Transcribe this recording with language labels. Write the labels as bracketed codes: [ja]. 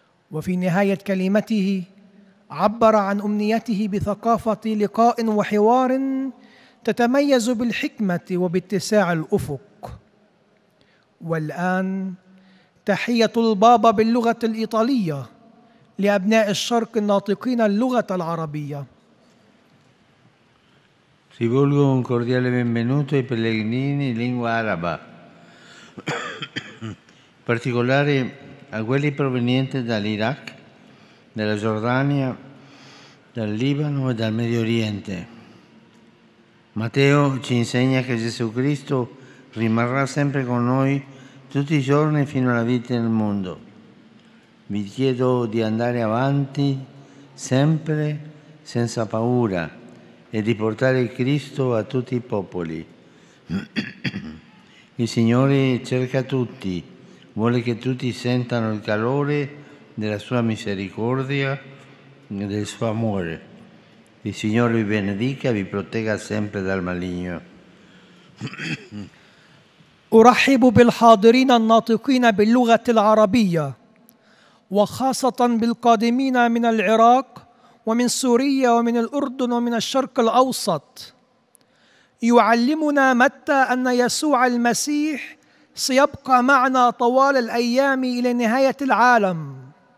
[ar] وفي نهاية كلمته عبر عن أمنيته بثقافة لقاء وحوار تتميز بالحكمة وباتساع الأفق. والآن تحية البابا باللغة الإيطالية لأبناء الشرق الناطقين اللغة العربية. [it] Rivolgo un cordiale benvenuto ai pellegrini in lingua araba, in particolare a quelli provenienti dall'Iraq, dalla Giordania, dal Libano e dal Medio Oriente. Matteo ci insegna che Gesù Cristo rimarrà sempre con noi tutti i giorni fino alla vita del mondo. Vi chiedo di andare avanti sempre senza paura e di portare Cristo a tutti i popoli. Il Signore cerca tutti, vuole che tutti sentano il calore della sua misericordia e del suo amore. Il Signore vi benedica e vi protegga sempre dal maligno. [ar] أرحب بالحاضرين الناطقين باللغة العربية وخاصة بالقادمين من العراق ومن سوريا ومن الأردن ومن الشرق الأوسط. يعلمنا متى أن يسوع المسيح سيبقى معنا طوال الأيام إلى نهاية العالم.